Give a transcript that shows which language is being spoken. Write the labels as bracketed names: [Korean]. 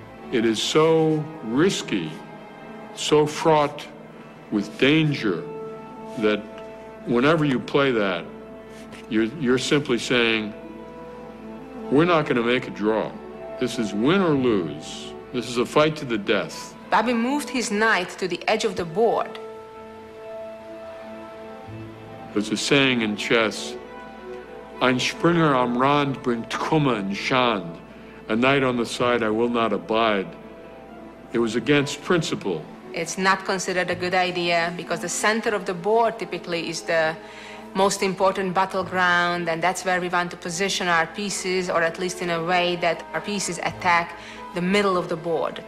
[English] It is so risky, so fraught with danger, that whenever you play that, you're simply saying, we're not going to make a draw. This is win or lose. This is a fight to the death. Bobby moved his knight to the edge of the board. There's a saying in chess, [German] ein Springer am Rand bringt Kummer und Schand. [English] A knight on the side I will not abide. It was against principle. It's not considered a good idea because the center of the board typically is the most important battleground, and that's where we want to position our pieces, or at least in a way that our pieces attack the middle of the board.